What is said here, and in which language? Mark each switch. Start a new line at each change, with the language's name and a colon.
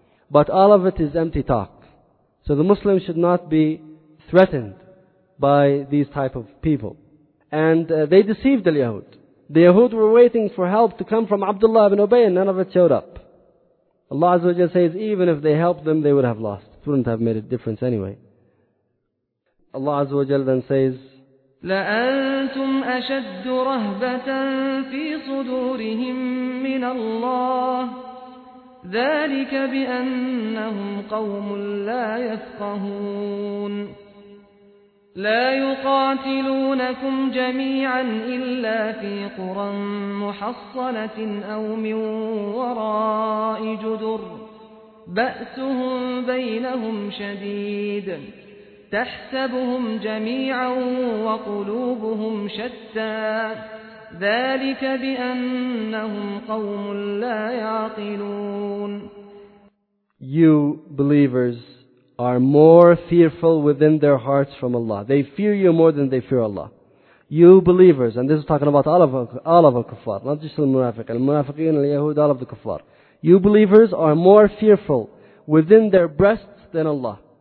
English: But all of it is empty talk. So the Muslims should not be threatened by these type of people. And they deceived the Yahud. The Yahud were waiting for help to come from Abdullah ibn Ubay and none of it showed up. Allah Azza wa Jalla says, even if they helped them, they would have lost. It wouldn't have made a difference anyway. Allah Azza wa Jalla then says,
Arabic: لأنتم أشد رهبة في صدورهم من الله ذلك بأنهم قوم لا يفقهون لا يقاتلونكم جميعا إلا في قرى محصنة أو من وراء جدر بأسهم بينهم شديد تحسبهم جميعا وقلوبهم شتى ذلك بأنهم قوم لا يعقلون
English: You believers are more fearful within their hearts from Allah. They fear you more than they fear Allah. You believers, and this is talking about all of al-kuffar, not just al-munafiq, al-munafiqin, al-yahud, all of the kuffar. You believers are more fearful within their breasts than Allah.